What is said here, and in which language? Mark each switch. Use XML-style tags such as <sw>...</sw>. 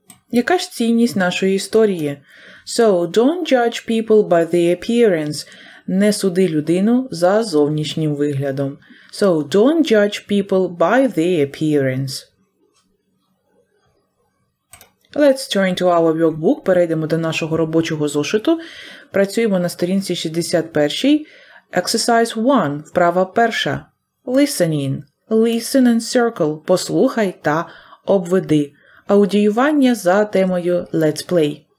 <uk>Яка ж цінність нашої історії?</uk> <en>So, don't judge people by their appearance.</en> <uk>Не суди людину за зовнішнім виглядом.</uk> <en>So, don't judge people by their appearance. Let's turn to our workbook.</en> <uk>Перейдемо до нашого робочого зошиту. Працюємо на сторінці 61.</uk> <en>Exercise 1.</en> <uk>Вправа перша.</uk> <en>Listening. Listen and circle.</en> <uk>Послухай та обведи. Аудіювання за темою Let's Play.</uk>